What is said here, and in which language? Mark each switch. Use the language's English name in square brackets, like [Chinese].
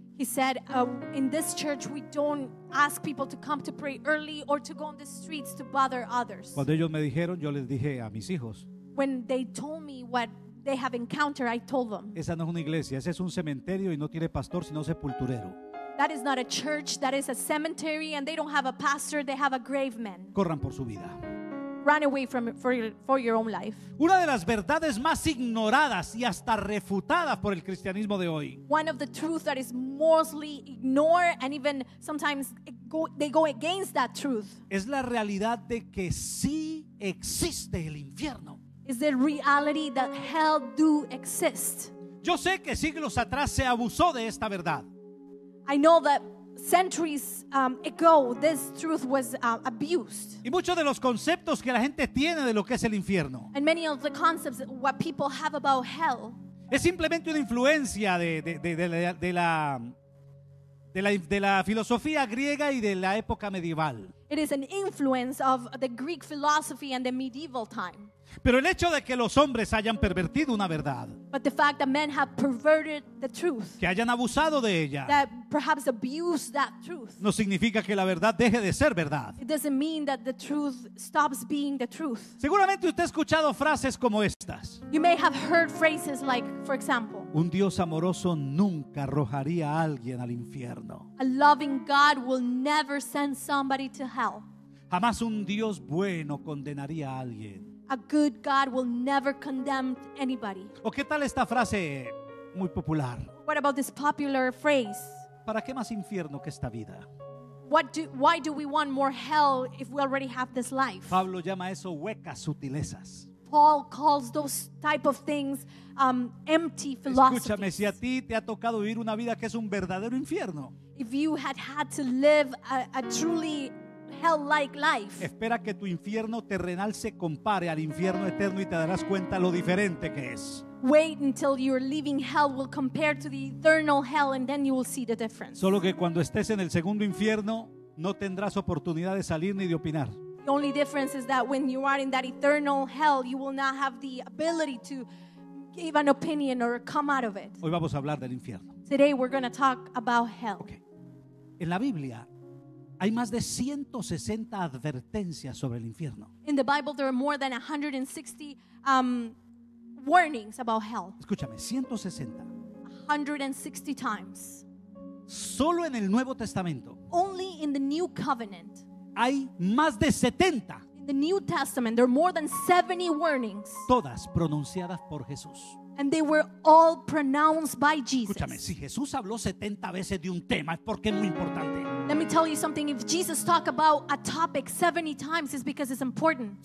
[English] He said, in this church, we don't ask people to come to pray early or to go on the streets to bother others. [Spanish] Cuando ellos me dijeron, yo les dije a mis hijos, [English] when they told me what they have encountered, I told them, [Spanish] esa no es una iglesia, ese es un cementerio y no tiene pastor, sino sepulturero. [English] That is not a church, that is a cementerary, and they don't have a pastor, they have a grave man. [Spanish] Corran por su vida. [English] Run away for your own life. [Spanish] Una de las verdades más ignoradas y hasta refutadas por el cristianismo de hoy. [English] One of the truths that is mostly ignored and even sometimes they go against that truth. [Spanish] Es la realidad de que sí existe el infierno. [English] Is the reality that hell do exist. [Spanish] Yo sé que siglos atrás se abusó de esta verdad. [English] I know that centuries ago this truth was abused. [Spanish] Y muchos de los conceptos que la gente tiene de lo que es el infierno. [English] And many of the concepts what people have about hell. [Spanish] Es simplemente una influencia de la filosofía griega y de la época medieval. [English] It is an influence of the Greek philosophy and the medieval time. [Spanish] Pero el hecho de que los hombres hayan pervertido una verdad, [English] but the fact that men have perverted the truth, [Spanish] que hayan abusado de ella, [English] that perhaps abused that truth, [Spanish] no significa que la verdad deje de ser verdad. [English] It doesn't mean that the truth stops being the truth. [Spanish] Seguramente usted ha escuchado frases como estas. [English] You may have heard phrases like, for example, [Spanish] un Dios amoroso nunca arrojaría a alguien al infierno. [English] A loving God will never send somebody to hell. [Spanish] Jamás un Dios bueno condenaría a alguien. [English] A good God will never condemn anybody. [Spanish] ¿O qué tal esta frase muy popular? [English] What about this popular phrase? [Spanish] ¿Para qué más infierno que esta vida? [English] Why do we want more hell if we already have this life? [Spanish] Pablo llama eso huecas sutilezas. [English] Paul calls those type of things empty philosophies. [Spanish] Escúchame, si a ti te ha tocado vivir una vida que es un verdadero infierno. [English] If you had to live a truly hell-like life. [Spanish] Espera que tu infierno terrenal se compare al infierno eterno y te darás cuenta lo diferente que es. [English] Wait until your living hell will compare to the eternal hell and then you will see the difference. [Spanish] Solo que cuando estés en el segundo infierno no tendrás oportunidad de salir ni de opinar. [English] The only difference is that when you are in that eternal hell you will not have the ability to give an opinion or come out of it. [Spanish] Hoy vamos a hablar del infierno. [English] Today we're going to talk about hell. Okay. [Spanish] En la Biblia hay más de 160 advertencias sobre el infierno. [English] In the Bible there are more than 160 warnings about hell. [Spanish] Escúchame, 160. [English] 160 times. [Spanish] Solo en el Nuevo Testamento. [English] Only in the New Covenant. [Spanish] Hay más de 70. [English] In the New Testament there are more than 70 warnings. [Spanish] Todas pronunciadas por Jesús. [English] And they were all pronounced by Jesus. [Spanish] Escúchame, si Jesús habló 70 veces de un tema es porque es muy importante. [English] Let me tell you something. If Jesus talked about a topic 70 times, it's because it's important.